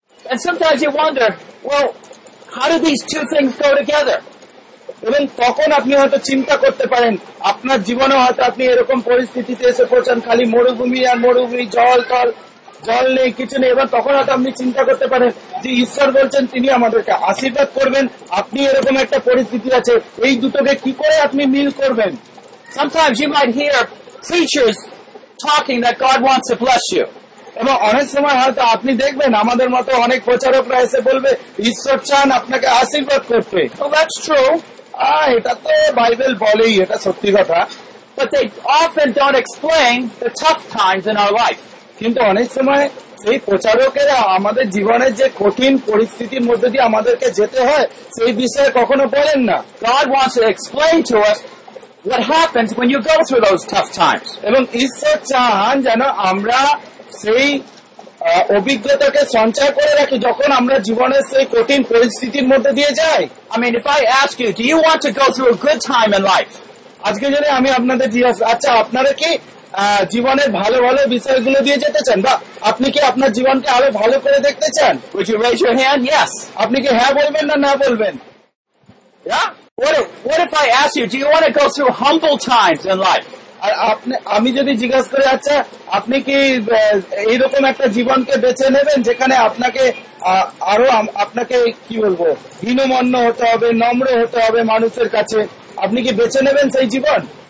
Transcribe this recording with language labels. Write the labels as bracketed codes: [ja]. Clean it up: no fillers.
[en] And sometimes you wonder, well, how do these two things go together? [bn] এবং তখন আপনি হয়তো চিন্তা করতে পারেন, আপনার জীবনে হয়তো আপনি এরকম পরিস্থিতিতে এসে পড়ছেন, খালি মরুভূমি আর মরুভূমি, জল তল জল নেই, কিছু নেই। এবার তখন হয়তো আপনি চিন্তা করতে পারেন যে ঈশ্বর বলছেন তিনি আমাদেরকে আশীর্বাদ করবেন, আপনি এরকম একটা পরিস্থিতি আছে, এই দুটোকে কি করে আপনি মিল করবেন। [en] Sometimes you might hear preachers talking that God wants to bless you. [bn] এবং অনেক সময় হয়তো আপনি দেখবেন আমাদের মতো অনেক প্রচারকরা এসে বলবে ঈশ্বর চান আপনাকে আশীর্বাদ করতে। [en] Well, that's true. [bn] এটা তো বাইবেল বলেই, এটা সত্যি কথা। [en] But they often don't explain the tough times in our life. [bn] কিন্তু অনেক সময় সেই প্রচারকেরা আমাদের জীবনের যে কঠিন পরিস্থিতির মধ্যে দিয়ে আমাদেরকে যেতে হয় সেই বিষয়ে কখনো বলেন না। [en] God wants to explain to us what happens when you go through those tough times. [bn] এবং ঈশ্বর চান যেন আমরা সেই অভিজ্ঞতাকে সঞ্চয় করে রাখি যখন আমরা জীবনের সেই কঠিন পরিস্থিতির মধ্যে দিয়ে যাই। [en] I mean, if I ask you, do you want to go through a good time in life? [bn] আজকে যদি আমি আপনাদের জিজ্ঞাসা করি, আচ্ছা আপনারা কি জীবনের ভালো ভালো বিষয়গুলো দিয়ে যেতে চান বা আপনি কি আপনার জীবনকে আরো ভালো করে দেখতে চান, [en] would you raise your hand? Yes. [bn] আপনি কি হ্যাঁ বলবেন না না বলবেন? [en] Yeah? What if I ask you, do you want to go through humble times in life? [bn] আমি যদি জিজ্ঞাসা করি, আচ্ছা আপনি কি এইরকম একটা জীবনকে বেছে নেবেন যেখানে আপনাকে আরো আপনাকে কি বলবো হীনমন্য হতে হবে, নম্র হতে হবে মানুষের কাছে, আপনি কি বেছে নেবেন সেই জীবন?